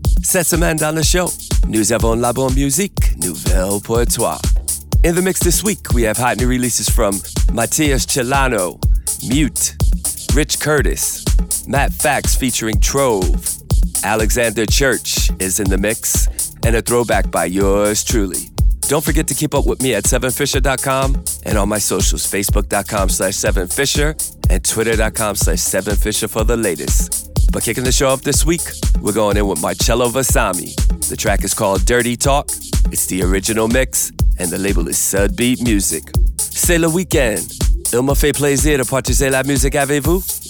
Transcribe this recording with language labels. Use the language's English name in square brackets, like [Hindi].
[French] Cette semaine dans le show, nous avons la bonne musique nouvelle pour toi. [English] In the mix this week, we have hot new releases from Matias Celano, Mute, Rich Curtis, Matt Fax featuring Trove, Alexander Church is in the mix, and a throwback by yours truly. Don't forget to keep up with me at 7fisher.com and on my socials, facebook.com/7fisher and twitter.com/7fisher for the latest. But kicking the show off this week, we're going in with Marcello Vasami. The track is called Dirty Talk. It's the original mix and the label is Sudbeat Music. [French] C'est le week-end. Il me fait plaisir de partager la musique avec vous.